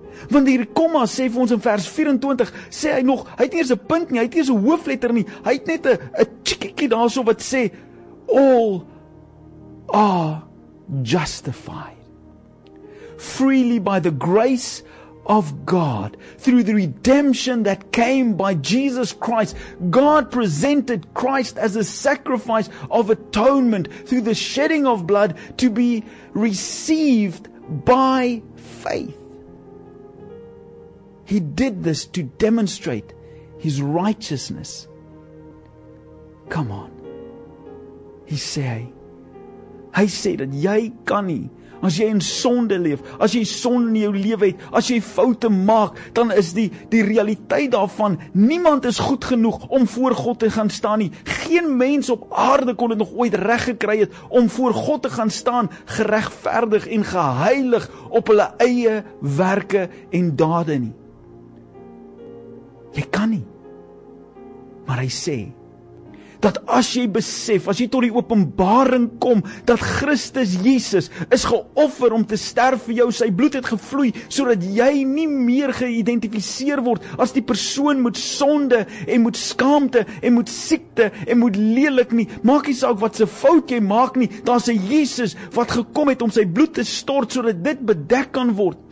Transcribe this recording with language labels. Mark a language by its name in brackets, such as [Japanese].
[Afrikaans] Want die komma sê vir ons in vers 24, sê hy nog, hy het nie eers 'n punt nie, hy het nie eers 'n hoofletter nie, hy het net 'n tjiekiekie daarso wat sê, [English] all are justified, freely by the grace of God, through the redemption that came by Jesus Christ. God presented Christ as a sacrifice of atonement, through the shedding of blood, to be received by faith. He did this to demonstrate his righteousness. Come on. [Afrikaans] Hy sê dat jy kan nie, as jy in sonde leef, as jy sonde in jou lewe het, as jy foute maak, dan is die realiteit daarvan, niemand is goed genoeg om voor God te gaan staan nie. Geen mens op aarde kon dit nog ooit reg gekry het om voor God te gaan staan, geregverdig en geheilig op hulle eie werke en dade nie. Jy kan nie, maar hy sê, dat as jy besef, as jy tot die openbaring kom, dat Christus Jesus is geoffer om te sterf vir jou, sy bloed het gevloei, sodat jy nie meer geïdentifiseer word, as die persoon met sonde, en met skaamte, en met siekte, en met lelik nie, maak nie saak wat se fout jy maak nie, daar is 'n Jesus wat gekom het om sy bloed te stort, sodat dit bedek kan word,